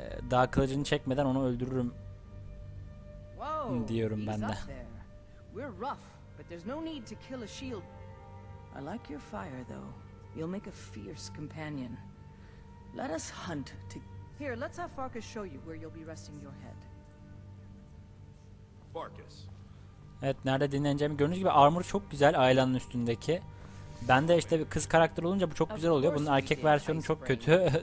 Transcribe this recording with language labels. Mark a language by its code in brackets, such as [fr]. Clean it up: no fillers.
[tr] Daha kılıcını çekmeden onu öldürürüm. Whoa, diyorum ben de. [en] We're rough, but there's no need to kill a shield. I like your fire though. You'll make a fierce companion. Let us hunt to... Here, let's have Farkas show you where you'll be resting your head. Farkas. [tr] Evet, nerede dinleneceğimi gördüğünüz gibi armor çok güzel Ayla'nın üstündeki. Ben de işte bir kız karakter olunca bu çok güzel oluyor. Bunun erkek versiyonu çok kötü.